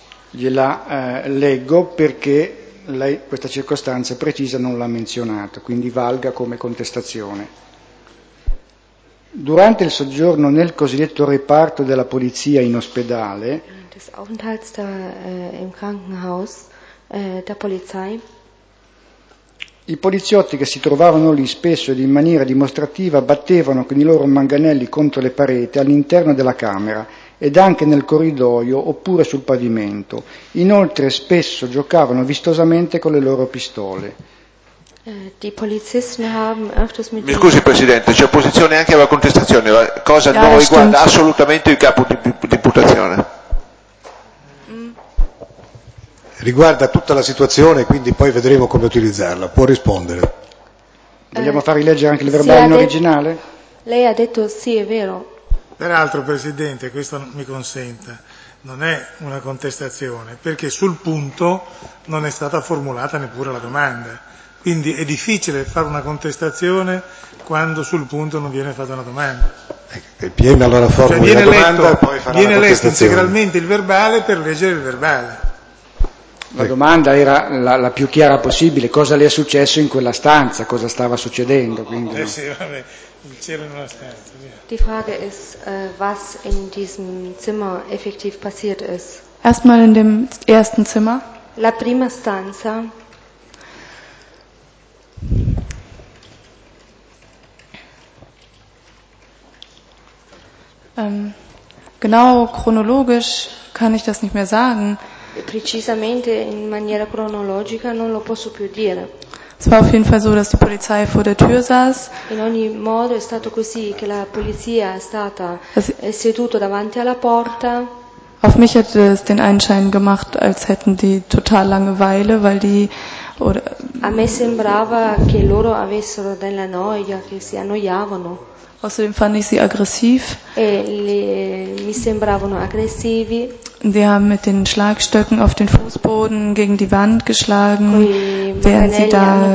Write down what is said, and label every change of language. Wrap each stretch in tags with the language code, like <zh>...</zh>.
<it>gliela leggo perché lei questa circostanza precisa non l'ha menzionata, quindi valga come contestazione. Durante il soggiorno nel cosiddetto reparto della polizia in ospedale,</it> <de>des Aufenthalts da, im Krankenhaus, der Polizei,</de> <it>i poliziotti che si trovavano lì spesso ed in maniera dimostrativa battevano con i loro manganelli contro le pareti all'interno della camera ed anche nel corridoio oppure sul pavimento. Inoltre spesso giocavano vistosamente con le loro pistole.</it> <de>Die Polizisten haben öfters mit</de> <it>mi scusi Presidente, c'è opposizione anche alla contestazione, la cosa non riguarda assolutamente il capo di imputazione. Riguarda tutta la situazione, quindi poi vedremo come utilizzarla. Può rispondere. Vogliamo far rileggere anche il verbale in originale? Lei ha detto sì, è vero. Peraltro, Presidente, questo mi consenta, non è una contestazione, perché sul punto non è stata formulata neppure la domanda. Quindi è difficile fare una contestazione quando sul punto non viene fatta una domanda. E PM allora formula cioè la domanda letto, e poi farà la contestazione. Viene letto integralmente il verbale per leggere il verbale. La domanda era la più chiara possibile, cosa le è successo in quella stanza, cosa stava succedendo. Quindi, sì, vabbè, il cielo in una stanza. Via.</it> <de>Die Frage ist, was in diesem Zimmer effektiv passiert ist. Erstmal in dem ersten Zimmer.</de> <it>La prima stanza.</it> <de>Genau chronologisch kann ich das nicht mehr sagen.</de> <it>Precisamente in maniera cronologica non lo posso più dire.</it> <de>Es war auf jeden Fall so, dass die Polizei vor der Tür saß.</de> <it>In ogni modo è stato così che la polizia è stata seduta davanti alla porta.</it> <de>Auf mich hat es den Anschein gemacht, als hätten die total Langeweile, weil die oder</de> <it>a me sembrava che loro avessero della noia, che si annoiavano.</it> <de>Außerdem fand ich sie aggressiv.</de> <it>Mi sembravano aggressivi.</it> <de>Sie haben mit den Schlagstöcken auf den Fußboden gegen die Wand geschlagen, während sie da</de>